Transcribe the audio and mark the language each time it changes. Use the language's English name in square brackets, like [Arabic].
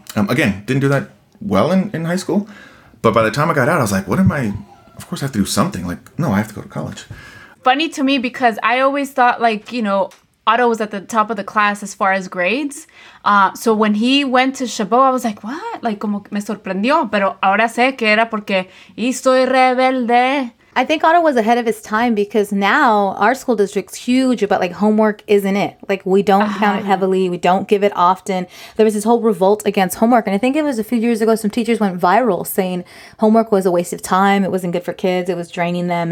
[English] Again, didn't do that well in high school. But by the time I got out, I was like, what am I? Of course, I have to do something. Like, no, I have to go to college. Funny to me, because I always thought, like, you know, Otto was at the top of the class as far as grades. So when he went to Chabot, I was like, what? [Spanish] Like, como me sorprendió. Pero ahora sé que era porque estoy rebelde. [English] I think Otto was ahead of his time, because now our school district's huge about, like, homework isn't it. Like, we don't count it heavily. We don't give it often. There was this whole revolt against homework. And I think it was a few years ago, some teachers went viral saying homework was a waste of time. It wasn't good for kids. It was draining them.